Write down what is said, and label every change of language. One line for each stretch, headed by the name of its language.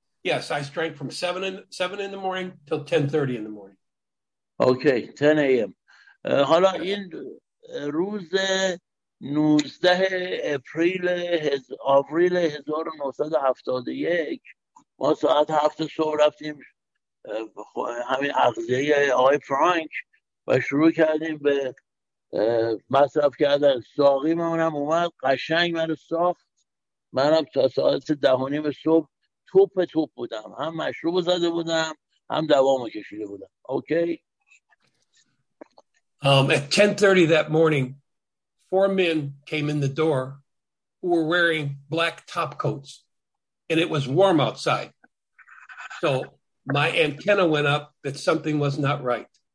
English: Yes, I drank from 7 in the morning till 10:30 in the morning. Okay, 10 a.m.
Persian: حالا این روز 19 آوریل 1971 ما ساعت 7 صبح رفتیم همین عقضیه آقای فرانک و شروع کردیم به مصرف کردن. ساقی منم اومد قشنگ منو ساخت، منم تا ساعت 10:30 صبح توپ بودم، هم مشروب زده بودم هم دوامو کشیده بودم. اوکی.
English: At 10:30 that morning, 4 men came in the door who were wearing black top coats, and it was warm outside. So my antenna went up that something was not right.